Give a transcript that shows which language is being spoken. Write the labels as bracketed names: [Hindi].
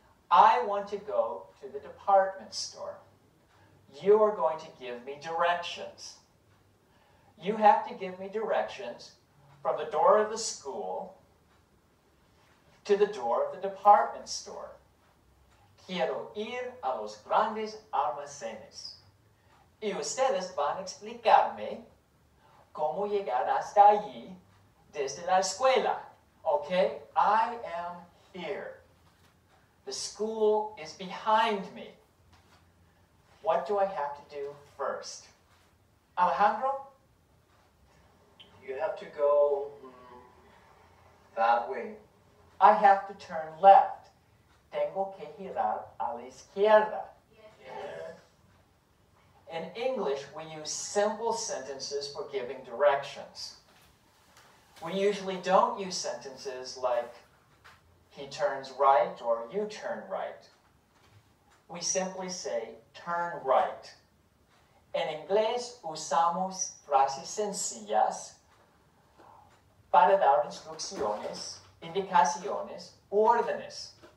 [English] I want to go to the department store. You are going to give me directions. You have to give me directions from the door of the school to the door of the department store. [Spanish] Quiero ir a los grandes almacenes. Y ustedes van a explicarme cómo llegar hasta allí desde la escuela. [English] Okay? I am here. The school is behind me. What do I have to do first? Alejandro? You have to go that way. I have to turn left. [Spanish] Tengo que girar a la izquierda. [English] Yes. In English, we use simple sentences for giving directions. We usually don't use sentences like he turns right or you turn right. We simply say turn right. [Spanish] En inglés usamos frases sencillas para dar instrucciones, indicaciones, órdenes.